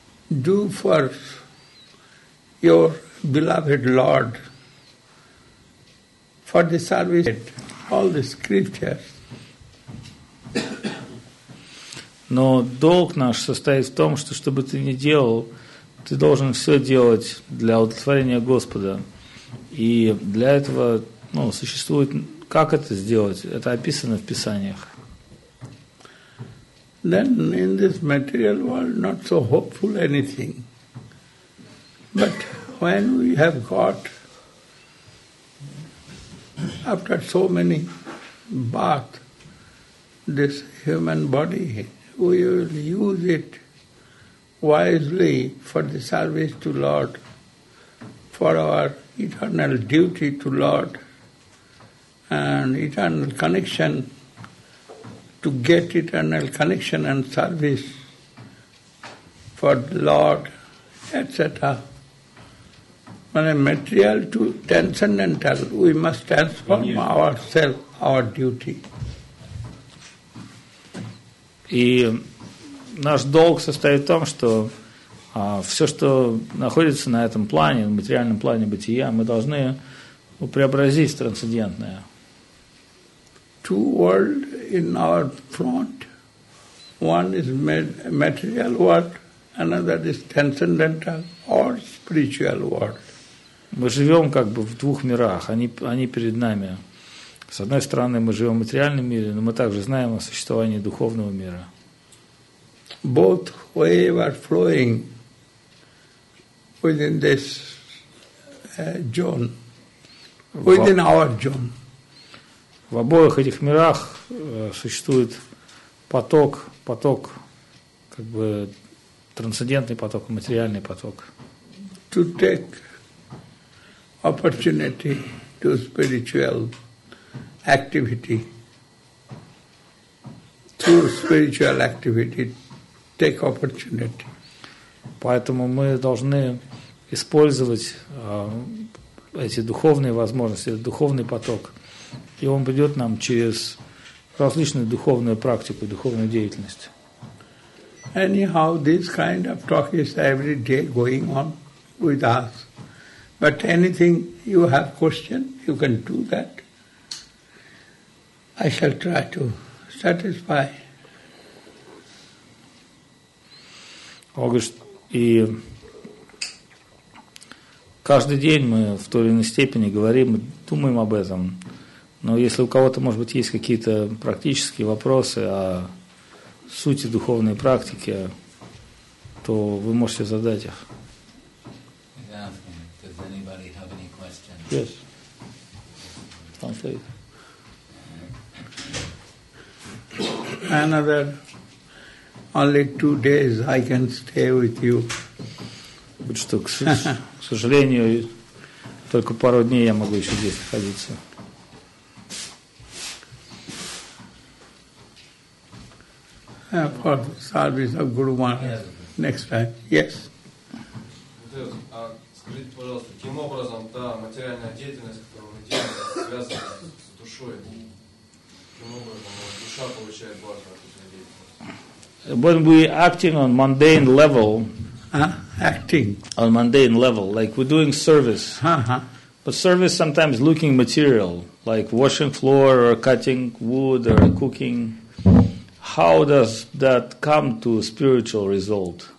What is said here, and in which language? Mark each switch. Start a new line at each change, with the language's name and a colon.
English: Do for your beloved Lord, for the service of all the scriptures.
Russian: Но долг наш состоит в том, что что бы ты ни делал, ты должен все делать для удовлетворения Господа. И для этого ну, существует, как это сделать, это описано в Писаниях.
English: Then in this material world, not so hopeful anything. But when we have got, after so many births, this human body, we will use it wisely for the service to Lord, for our eternal duty to Lord, and eternal connection to get eternal connection and service for the Lord, etc. When a material to transcendental, we must transform ourselves, our duty.
Russian: И наш долг состоит в том, что все, что находится на этом плане, на материальном плане бытия, мы должны преобразить в трансцендентное.
English: Two worlds in our front. One is material world, another is transcendental or spiritual world.
Russian: Мы живем как бы в двух мирах, они перед нами. С одной стороны, мы живем в материальном мире, но мы также знаем о существовании духовного мира.
English: Both waves are flowing within this zone, within our zone.
Russian: В обоих этих мирах существует поток, поток, как бы трансцендентный поток, материальный поток.
English: To take opportunity to spiritual activity, through spiritual activity, take opportunity.
Russian: Поэтому мы должны использовать эти духовные возможности, духовный поток. И он придет нам через различную духовную практику, духовную деятельность.
English: Anyhow, this kind of talk is every day going on with us. But anything you have question, you can do that. I shall try to satisfy.
Russian: August, и каждый день мы в той или иной степени говорим, думаем об этом. Но если у кого-то, может быть, есть какие-то практические вопросы о сути духовной практики, то вы можете задать их.
English: Does anybody have any questions? Yes. Translate. Another only 2 days I can stay with you.
Russian: Вот что, к сожалению, только пару дней я могу еще здесь находиться.
English: For the service of Guru Maharaj next time. Yes.
Russian: Скажите, пожалуйста, каким образом та материальная деятельность, которую мы делаем, связана с душой? Каким образом душа получает бхакти от этой деятельности?
English: When we acting on mundane level, acting on mundane level, like we're doing service, but service sometimes looking material, like washing floor or cutting wood or cooking. How does that come to a spiritual result?